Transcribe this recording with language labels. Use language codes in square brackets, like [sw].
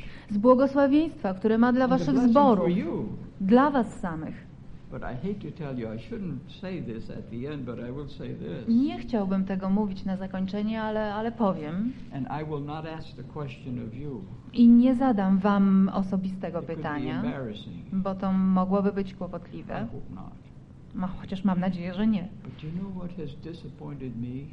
[pl] Z błogosławieństwa, które ma dla waszych zborów. Dla was samych. [en] But I hate to tell you, I shouldn't say this at the end, but I will say this. [pl] Nie chciałbym tego mówić na zakończenie, ale powiem. [en] And I will not ask the question of you. [pl] I nie zadam wam osobistego pytania, bo to mogłoby być kłopotliwe. [en] I hope not. [pl] No, chociaż mam nadzieję, że nie. [en] But you know what has disappointed me?